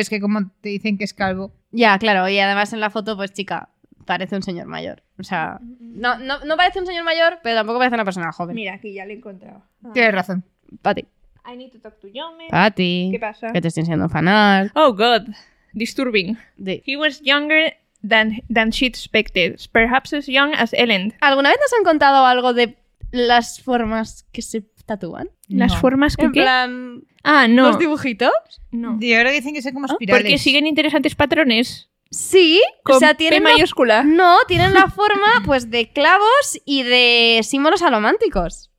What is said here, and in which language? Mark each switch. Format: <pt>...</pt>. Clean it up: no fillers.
<es>es que como te dicen que es calvo. Ya, claro. Y además en la foto, pues chica, parece un señor mayor. O sea, no parece un señor mayor, pero tampoco parece una persona joven. Mira, aquí ya lo he encontrado. Tienes razón. Pati.</es> <en>I need to talk to Jomen.</en> <es>Pati. ¿Qué pasa? Que te estoy enseñando fanal.</es> <en>Oh, God. Disturbing. De. He was younger than she expected. Perhaps as young as Ellen.</en> <es>¿Alguna vez nos han contado algo de las formas que se tatúan? No. ¿Las formas que en qué? En plan... Ah, no. ¿Los dibujitos? No. Yo creo que dicen que son como espirales. Porque siguen interesantes patrones. Sí. Con o sea, tienen P mayúscula. No, tienen la forma pues de clavos y de símbolos alománticos.</es>